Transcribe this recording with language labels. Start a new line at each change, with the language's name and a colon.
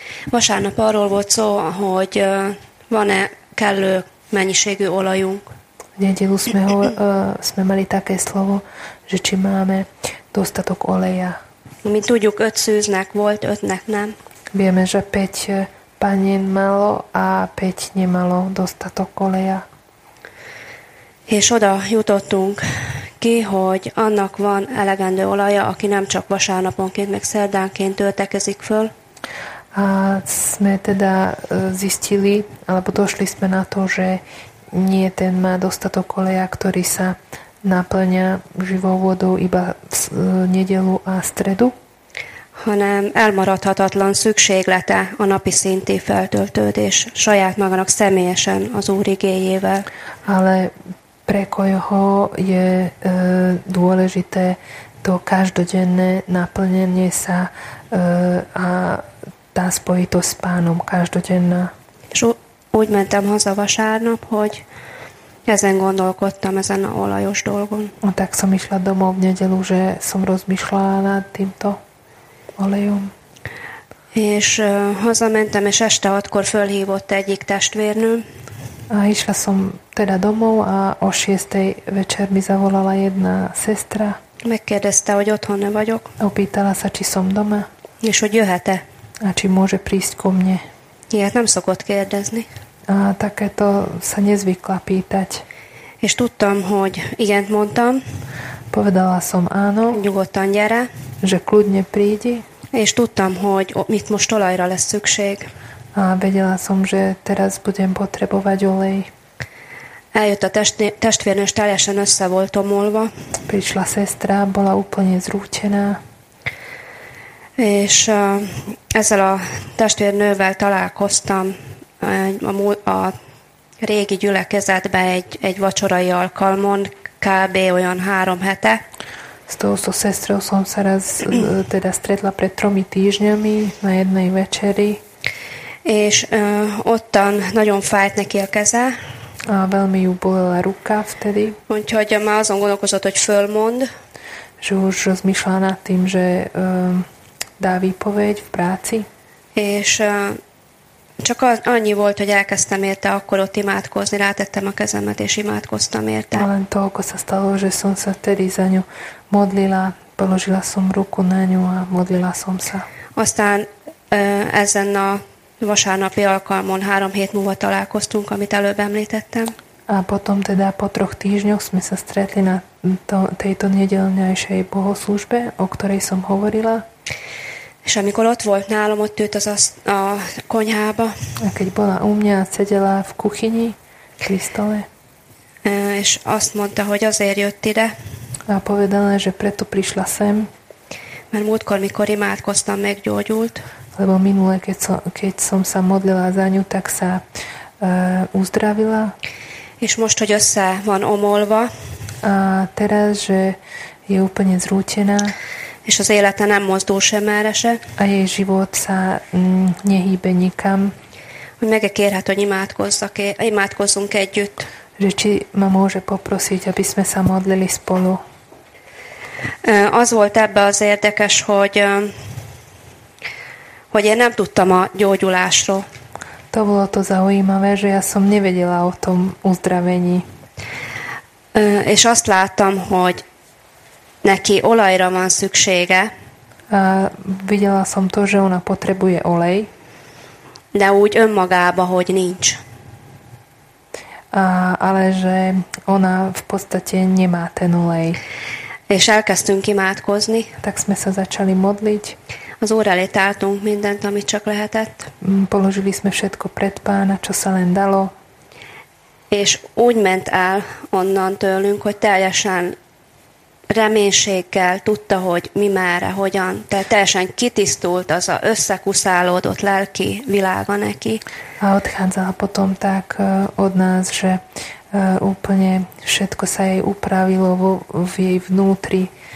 Hungarian: Vasárnap arról volt szó, hogy van-e kellő mennyiségű olajunk.
Slovak: Nedělu jsme měli také slovo, že či máme dostatok oleja.
Hungarian: Mi tudjuk, öt szűznek volt, ötnek nem.
Slovak: Vieme, že 5 panien malo a 5 nemalo dostatok oleja.
Hungarian: És oda jutottunk ki, hogy annak van elegendő olaja, aki nem csak vasárnaponként, meg szerdánként töltekezik föl.
Slovak: A sme teda zistili, alebo došli sme na to, že nie ten má dostatok oleja, ktorý sa naplňa živou vodou iba v nedelu a stredu.
Hungarian: Hanem elmaradhatatlan szükséglete a napi szinti feltöltődés saját magának személyesen az Úr igéjével.
Slovak: Ale pre koho je dôležité to každodenné naplnenie sa a tá spojitosť s Pánom každodenná.
Hungarian: És úgy mentem haza vasárnap, hogy ezen gondolkodtam, ezen a olajos dolgon.
Slovak: A tak som išla domov v nedelu, že som rozmýšľala nad týmto olejom.
Hungarian: És hazamentem, és este 6-kor fölhívott egyik testvérnő.
Slovak: A išla som teda domov a o 6. večer mi zavolala jedna sestra.
Hungarian: Megkérdezte, hogy otthon ne vagyok.
Slovak: Opýtala sa, či som doma.
Hungarian: És hogy jöhet-e.
Slovak: A či môže prísť ku mne.
Hungarian: Ilyet nem szokott kérdezni.
Slovak: A takéto sa nezvykla pýtať.
Hungarian: És tudtam, hogy igent mondtam.
Slovak: Povedala som áno.
Hungarian: Nyugodtan gyere.
Slovak: Že kľudne prídi.
Hungarian: És tudtam, hogy mit most olajra lesz szükség.
Slovak: A vedela som, že teraz budem potrebovať olej.
Hungarian: Eljött a testvérnő, és teljesen össze volt omolva.
Slovak: Prišla sestra, bola úplne zrútená.
Hungarian: És ezzel a testvérnővel találkoztam a régi gyülekezetben egy vacsorai alkalmon, kb. Olyan 3 hete.
Slovak: S touto sestrou som sa raz teda stretla pred 3 týždňami na jednej večeri.
Hungarian: És ottan nagyon fájt neki a keze.
Slovak: A veľmi ju bolela ruka vtedy.
Hungarian: Úgyhogy már azon gondolkozott, hogy fölmond.
Slovak: Že už rozmýšľa nad tým, že dá výpoveď v práci.
Hungarian: És csak annyi volt, hogy elkezdtem érte akkor ott imádkozni, rátettem a kezemet és imádkoztam érte.
Slovak: Len toľko sa stalo, že som sa vtedy za ňu modlila, položila som ruku na ňu a modlila som sa.
Hungarian: Aztán ezen a vasárnapi alkalmon 3 hét múlva találkoztunk, amit előbb említettem.
Slovak: A potom teda po 3 týždňoch sme sa stretli na tejto nedelnejšej bohoslúžbe, o ktorej som hovorila.
Hungarian: És amikor ott volt nálam, ott ült a konyhába.
Slovak: A keď bola u mňa, sedela v kuchyni, pri stole.
Hungarian: És azt mondta, hogy azért jött ide.
Slovak: A povedala, že preto prišla sem.
Hungarian: Mert múltkor, mikor imádkoztam, meggyógyult.
Slovak: Lebo minule, keď som sa modlila za ňu, tak sa uzdravila.
Hungarian: És most, hogy össze van omolva.
Slovak: A teraz, že je úplne zrútená.
Hungarian: És az élete nem mozdul sem erre se.
Slovak: A jej život sa nehýbe nikam.
Hungarian: Hogy meg-e kérhet, hogy imádkozzunk együtt.
Slovak: Že či ma môže poprosiť, aby sme sa modlili spolu.
Hungarian: Az volt ebbe az érdekes, hogy én nem tudtam a gyógyulásról.
Slovak: To bolo to zaujímavé, že ja som nevedela o tom uzdravení.
Hungarian: És azt láttam, hogy neki olajra van szüksége.
Slovak: Videla som to, že ona potrebuje olej.
Hungarian: De úgy önmagába, hogy nincs.
Slovak: Ale že ona v podstate nemá ten olej.
Hungarian: És elkezdtünk imádkozni.
Slovak: Tak sme sa začali modliť.
Hungarian: Az úr elé tártunk mindent, amit csak lehetett.
Slovak: Položili sme všetko pred pána, čo sa len dalo.
Hungarian: És úgy ment el onnan tőlünk, hogy teljesen reménységgel tudta, hogy mi merre, hogyan. Tehát teljesen kitisztult az a összekuszálódott lelki világa neki.
Slovak: A odchádzala potom tak od nás, že úplne všetko sa jej upravilo v jej vnútri.